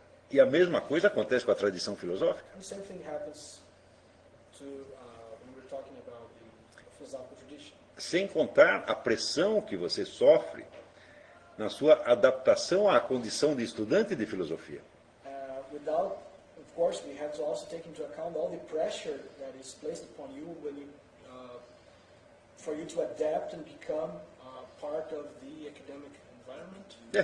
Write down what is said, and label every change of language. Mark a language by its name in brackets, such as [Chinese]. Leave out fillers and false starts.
[Portuguese] E a mesma coisa acontece com a tradição filosófica. [English] The same thing happens to, when we're talking about the philosophical tradition. [Portuguese] Sem contar a pressão que você sofre na sua adaptação à condição de estudante de filosofia. [English] Without, of course, we have to also take into account all the pressure that is placed upon you when you, for you to adapt and become part of the academic environment.